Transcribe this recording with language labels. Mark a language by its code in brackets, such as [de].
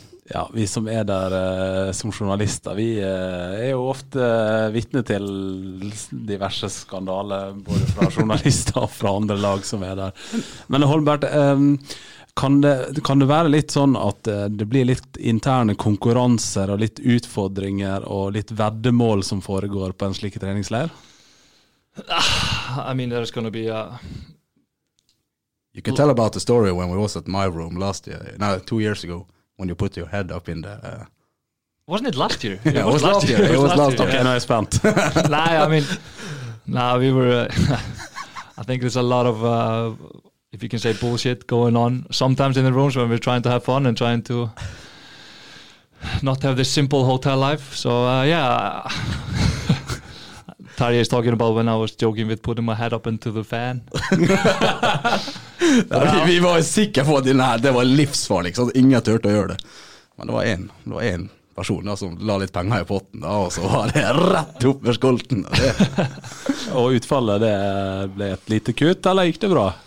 [no] Ja, vi som der som journalister, vi jo ofte vitne til diverse skandaler, både fra journalister og fra andre lag som der. Men Holmberg, kan det være litt sånn at det blir litt interne konkurranser og litt utfordringer og litt veddemål som foregår på en slik treningsleir? [en] I mean, there's going to be a... You can tell about the story when we was at my room last year, no, 2 years ago. When you put your head up in the... Wasn't it last year? It was last year. Okay, no, I spent. I think there's a lot of, if you can say, bullshit going on sometimes in the rooms when we're trying to have fun and trying to not have this simple hotel life. So, yeah. Tarja is talking about when I was joking with putting my head up into the fan. [no] Ja, vi var jo sikre på at det var livsfarlig, så ingen turte å gjøre det. Men det var en person da, som la litt penger I potten, da, og så var det rett opp med skolten. Og utfallet, det ble et lite kutt, eller gikk det bra?